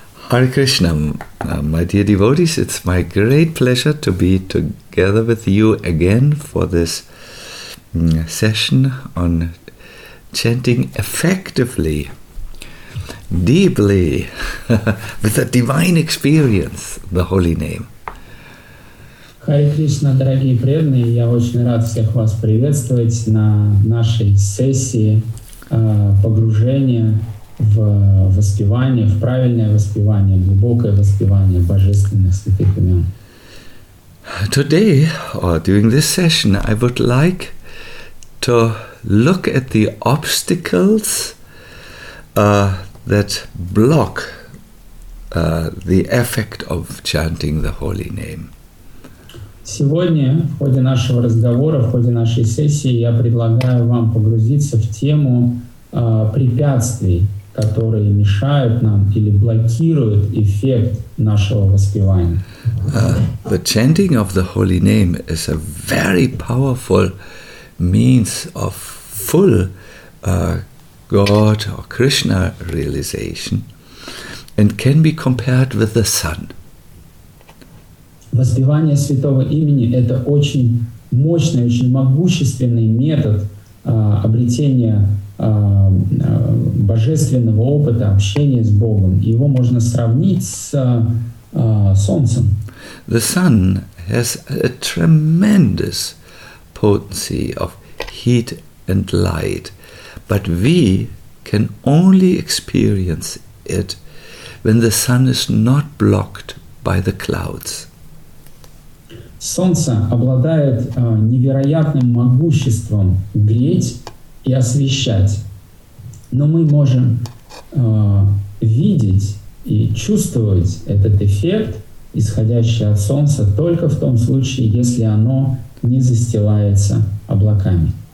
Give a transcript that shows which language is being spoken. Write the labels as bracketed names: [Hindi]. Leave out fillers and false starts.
[English] Hare Krishna, my dear devotees, it's my great pleasure to be together with you again for this session on chanting effectively, deeply, with a divine experience, the holy name. [Russian] Hare Krishna, дорогие преданные, я очень рад всех вас приветствовать на нашей сессии погружения в воспевание, в правильное воспевание, глубокое воспевание божественных святых имен. [English] Today, or during this session, I would like to look at the obstacles that block the effect of chanting the holy name. [Russian] Сегодня, в ходе нашего разговора, в ходе нашей сессии, я предлагаю вам погрузиться в тему препятствий, которые мешают нам или блокируют эффект нашего воспевания. [English] The chanting of the holy name is a very powerful means of full God or Krishna realization and can be compared with the sun. [Russian] Воспевание святого имени – это очень мощный, очень могущественный метод обретения божественного опыта, общения с Богом. Его можно сравнить с солнцем. [English] The sun has a tremendous potency of heat and light, but we can only experience it when the sun is not blocked by the clouds. [Russian] Солнце обладает невероятным могуществом греть и освещать. Но мы можем видеть и чувствовать этот эффект, исходящий от солнца, только в том случае, если оно не застилается облаками.